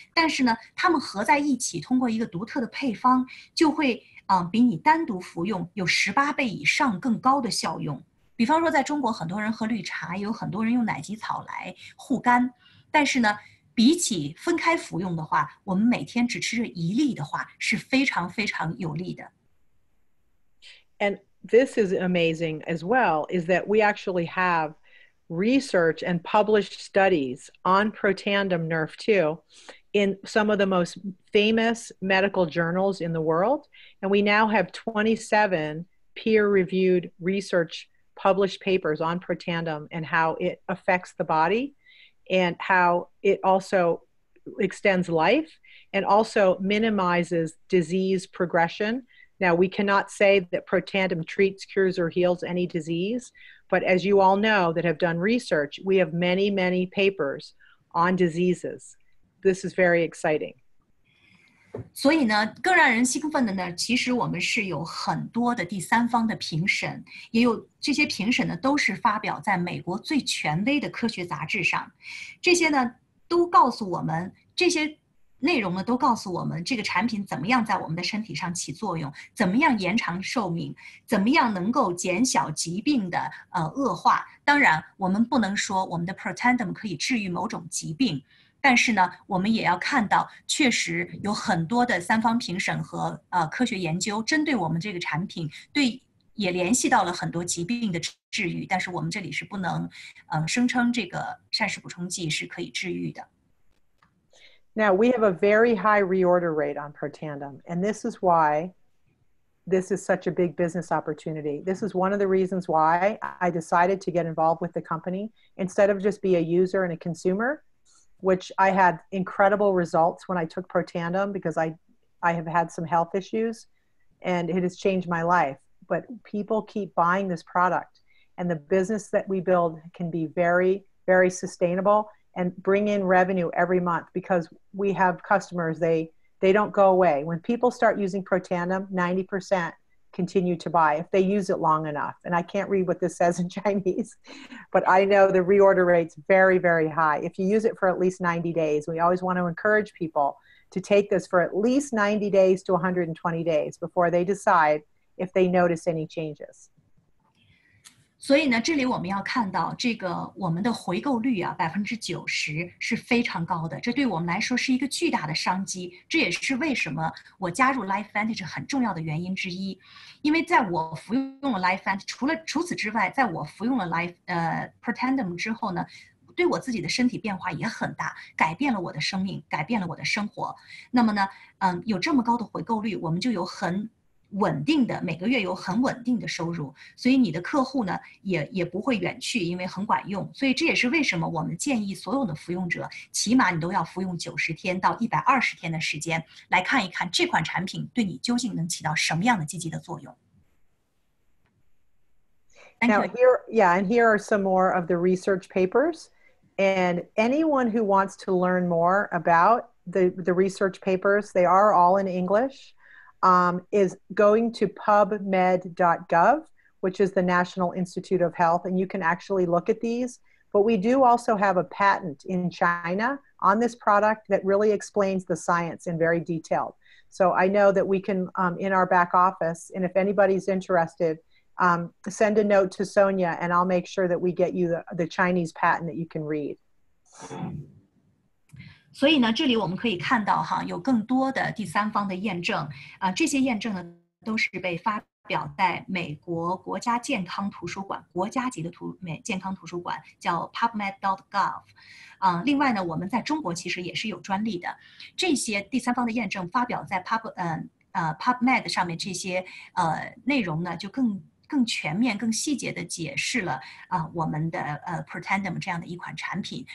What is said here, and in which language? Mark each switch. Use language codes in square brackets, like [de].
[zh] 但是呢，它们合在一起，通过一个独特的配方，就会比你单独服用有18倍以上更高的效用。比方说，在中国，很多人喝绿茶，也有很多人用奶吉草来护肝，但是呢。比起分开服用的话，我们每天只吃这一粒的话，是非常非常有力的。 [en] And this is amazing as well, is that we actually have research and published studies on Protandim Nerve 2 in some of the most famous medical journals in the world. And we now have 27 peer-reviewed research published papers on Protandim and how it affects the body. And how it also extends life and also minimizes disease progression. Now, we cannot say that Protandim treats, cures, or heals any disease, but as you all know that have done research, we have many, many papers on diseases. This is very exciting. [zh] 所以呢，更让人兴奋的呢，其实我们是有很多的第三方的评审，也有这些评审呢，都是发表在美国最权威的科学杂志上。这些呢，都告诉我们，这些内容呢，都告诉我们这个产品怎么样在我们的身体上起作用，怎么样延长寿命，怎么样能够减小疾病的恶化。当然，我们不能说我们的 Protandim 可以治愈某种疾病。但是呢，我们也要看到，确实有很多的三方评审和科学研究针对我们这个产品，对也联系到了很多疾病的治愈。但是我们这里是不能，声称这个膳食补充剂是可以治愈的。 [en] Now we have a very high reorder rate on Protandim, and this is why this is such a big business opportunity. This is one of the reasons why I decided to get involved with the company instead of just be a user and a consumer. Which I had incredible results when I took Protandim because I have had some health issues and it has changed my life. But but people keep buying this product. And the business that we build can be very, very sustainable and bring in revenue every month because we have customers, they don't go away. When people start using Protandim, 90% continue to buy if they use it long enough. And I can't read what this says in Chinese, but I know the reorder rate's very, very high. If you use it for at least 90 days, we always want to encourage people to take this for at least 90 days to 120 days before they decide if they notice any changes. [zh] 所以呢，这里我们要看到这个我们的回购率啊，90%是非常高的，这对我们来说是一个巨大的商机，这也是为什么我加入 Lifevantage 很重要的原因之一。因为在我服用了 Lifevantage， 除此之外，在我服用了 Protandim 之后呢，对我自己的身体变化也很大，改变了我的生命，改变了我的生活。那么呢，有这么高的回购率，我们就有很稳定的，每个月有很稳定的收入，所以你的客户呢也不会远去，因为很管用。所以这也是为什么我们建议所有的服用者起码你都要服用90天到120天的时间，来看一看这款产品对你究竟能起到什么样的积极的作用。 [en] Now here, yeah, and here are some more of the research papers. And anyone who wants to learn more about the research papers, they are all in English, is going to pubmed.gov, which is the National Institute of Health, and you can actually look at these. But we do also have a patent in China on this product that really explains the science in very detail. So I know that we can, in our back office, and if anybody's interested, send a note to Sonia, and I'll make sure that we get you the Chinese patent that you can read. [zh] 所以呢，这里我们可以看到哈，有更多的第三方的验证，这些验证呢都是被发表在美国国家健康图书馆，国家级的健康图书馆叫 pubmed.gov。另外呢，我们在中国其实也是有专利的，这些第三方的验证发表在 pubmed 上面，这些内容呢就更全面、更细节的解释了我们的Protandim 这样的一款产品。